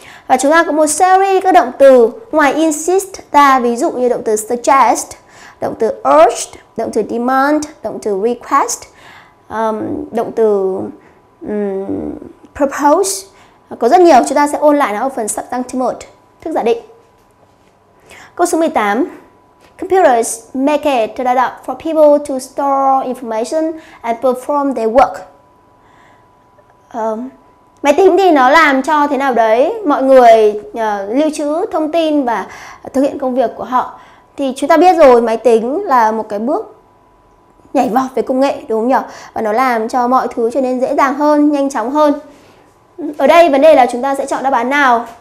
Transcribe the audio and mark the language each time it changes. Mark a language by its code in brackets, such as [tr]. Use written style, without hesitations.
[vi] Và chúng ta có một series các động từ ngoài insist ta, ví dụ như động từ suggest, động từ urged, động từ demand, động từ request, động từ propose. Có rất nhiều, chúng ta sẽ ôn lại nó ở phần [en] substantive mode, [vi] thức giả định. Câu số 18. [en] Computers make it data for people to store information and perform their work. [vi] Máy tính thì nó làm cho thế nào đấy, mọi người lưu trữ thông tin và thực hiện công việc của họ. Thì chúng ta biết rồi, máy tính là một cái bước nhảy vọt về công nghệ, đúng không nhỉ? Và nó làm cho mọi thứ trở nên dễ dàng hơn, nhanh chóng hơn. Ở đây vấn đề là chúng ta sẽ chọn đáp án nào.